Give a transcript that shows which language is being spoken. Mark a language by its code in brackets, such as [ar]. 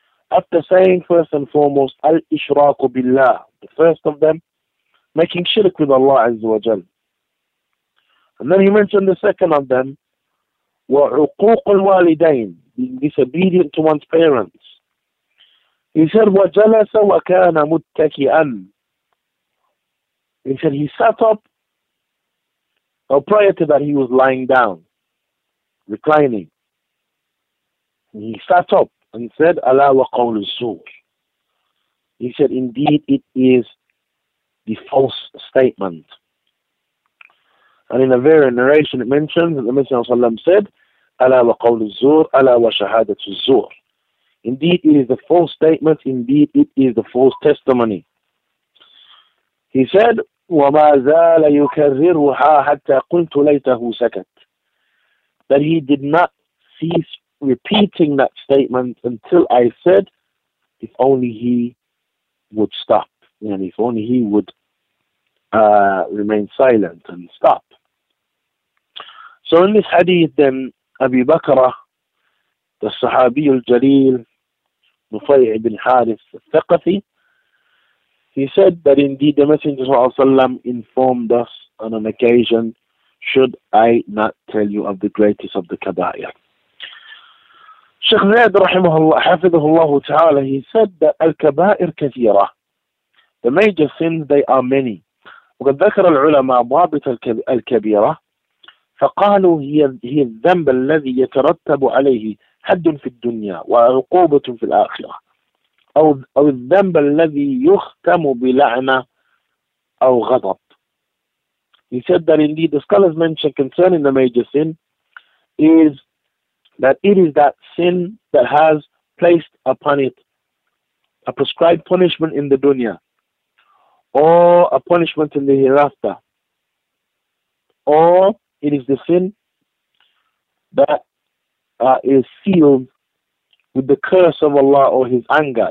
[en] After saying, first and foremost, al-ishraqu billah, the first of them, making shirk with Allah Azza wa Jal. And then he mentioned the second of them, وَعُقُوقُ الْوَالِدَيْنِ, being disobedient to one's parents. He said, [ar] وَجَلَسَ وَكَانَ مُتَّكِئًا. [en] He said, he sat up, or prior to that, he was lying down, reclining. And he sat up and said, [ar] أَلَا وَقَوْلُ السُّوءِ. [en] He said, indeed, it is the false statement. And in a very narration, it mentions that the Messenger ﷺ said, [ar] Ala wa qawl al-zur, ala wa shahadat al-zur. [en] Indeed, it is the false statement. Indeed, it is the false testimony. He said, [ar] وَمَا زَالَ يُكَرِّرُهَا حَتَّى قُلْتُ لَيْتَهُ سَكَتْ. [en] That he did not cease repeating that statement until I said, if only he would stop. And if only he would remain silent and stop. So in this hadith then, Abi Bakrah, the Sahabi al-Jaleel, Nufay' ibn Harith al-Thaqafi, he said that indeed the Messenger of Allah informed us on an occasion, should I not tell you of the greatest of the kabair? Sheikh Zayd rahimahullah, hafidhullahu ta'ala, he said that al-kabair kathira, the major sins, they are many. [ar] وقد ذكر العلماء ضابط الكبيرة فقالوا هي الذنب الذي يترتب عليه حد في الدنيا وعقوبة في الآخرة أو الذنب الذي يختم بلعنة أو غضب. [en] He said that indeed the scholars mentioned concerning the major sin is that it is that sin that has placed upon it a prescribed punishment in the dunya, or a punishment in the hereafter, or it is the sin that is sealed with the curse of Allah or his anger.